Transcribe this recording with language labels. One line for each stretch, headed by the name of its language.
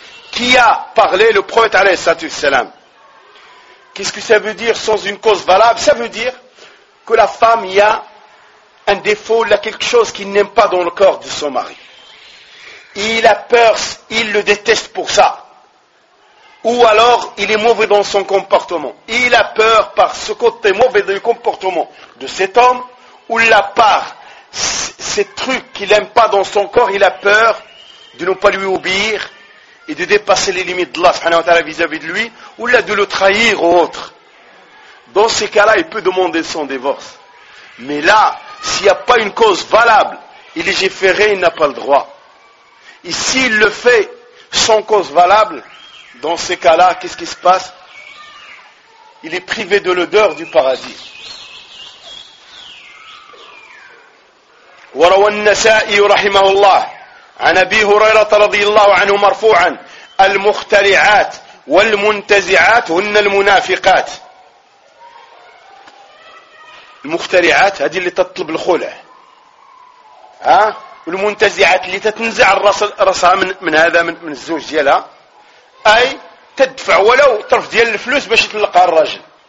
French: qui a parlé le prophète alayhi sallallahu alayhi wa sallam qu'est-ce que ça veut dire sans une cause valable ça veut dire que la femme y a un défaut, il y a quelque chose qu'il n'aime pas dans le corps de son mari. Il a peur, il le déteste pour ça. Ou alors, il est mauvais dans son comportement. Il a peur par ce côté mauvais du comportement de cet homme, ou la part, ces trucs qu'il n'aime pas dans son corps, il a peur de ne pas lui obéir et de dépasser les limites d'Allah subhanahu wa ta'ala vis-à-vis de lui, ou là de le trahir ou autre. Dans ces cas-là, il peut demander son divorce. Mais là, s'il n'y a pas une cause valable, il légifère, il n'a pas le droit. Et s'il le fait sans cause valable, dans ces cas-là, qu'est-ce qui se passe? Il est privé de l'odeur du paradis.
Arabic: وروى النسائي رحمه الله عن أبي هريرة رضي الله عنه مرفوعا المخترعات والمنتزعات هن المنافقات. المخترعات هذه اللي تطلب الخلع ها؟ والمنتزعات اللي تتنزع رأسها من هذا من الزوج ديالها، أي تدفع ولو طرف ديال الفلوس باش تلقى الرجل.